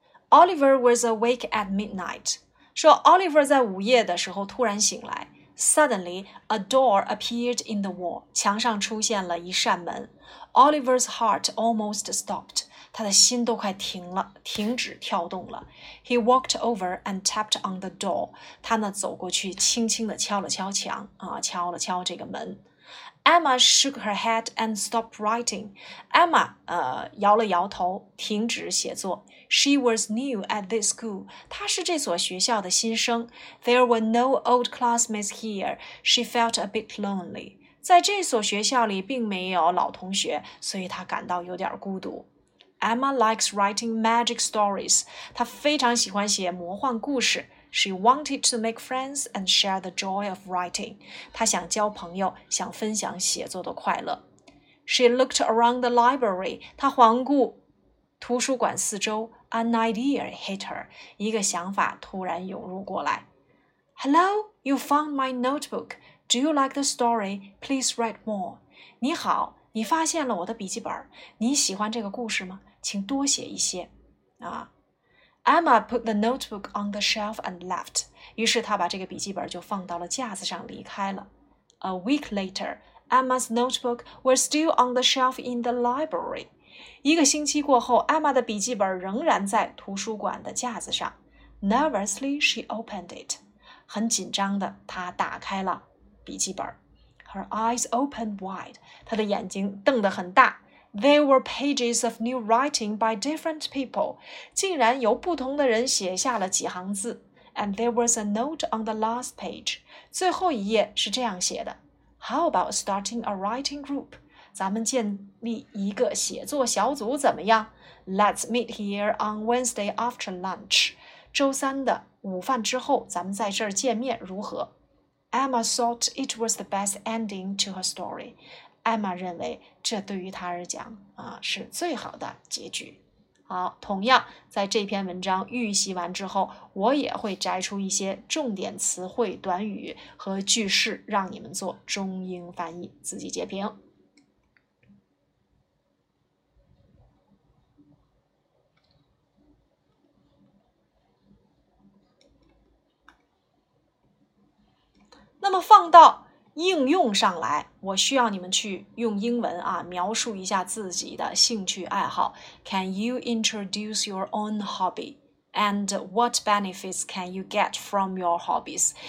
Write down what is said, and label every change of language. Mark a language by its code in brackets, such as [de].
[en] Oliver was awake at midnight. [zh] 说 Oliver 在午夜的时候突然醒来。 [en] Suddenly, a door appeared in the wall. [zh] 墙上出现了一扇门。 [en] Oliver's heart almost stopped. [zh] 他的心都快停止跳动了。 [en] He walked over and tapped on the door. [zh] 他呢走过去轻轻地敲了敲墙敲了敲这个门。 [en] Emma shook her head and stopped writing. Emma, [zh] 摇了摇头，停止写作。 [en] She was new at this school. [zh] 她是这所学校的新生。 [en] There were no old classmates here. She felt a bit lonely. [zh] 在这所学校里并没有老同学，所以她感到有点孤独。 [en] Emma likes writing magic stories. [zh] 她非常喜欢写魔幻故事。 [en] She wanted to make friends and share the joy of writing. [zh] 她想交朋友，想分享写作的快乐。 [en] She looked around the library. [zh] 她环顾图书馆四周。 [en] An idea hit her. [zh] 一个想法突然涌入过来。 [en] Hello, you found my notebook. Do you like the story? Please write more. [zh] 你好，你发现了我的笔记本。你喜欢这个故事吗？请多写一些。 [en] Emma put the notebook on the shelf and left. [zh] 于是她把这个笔记本就放到了架子上离开了。 [en] A week later, Emma's notebook was still on the shelf in the library. [zh] 一个星期过后 ,Emma 的笔记本仍然在图书馆的架子上。 [en] Nervously, she opened it. [zh] 很紧张的她打开了笔记本。 [en] Her eyes opened wide. [zh] 她的眼睛瞪得很大。 [en] There were pages of new writing by different people. [zh] 竟然有不同的人写下了几行字。 [en] And there was a note on the last page. [zh] 最后一页是这样写的。 [en] How about starting a writing group? [zh] 咱们建立一个写作小组怎么样? [en] Let's meet here on Wednesday after lunch. [zh] 周三的午饭之后咱们在这儿见面如何? [en] Emma thought it was the best ending to her story. [zh] 艾玛认为这对于她而讲是最好的结局。好，同样在这篇文章预习完之后，我也会摘出一些重点词汇、短语和句式，让你们做中英翻译，自己截屏。那么放到应用上来，我需要你们去用英文描述一下自己的兴趣爱好。 [en] Can you introduce your own hobby? And what benefits can you get from your hobbies?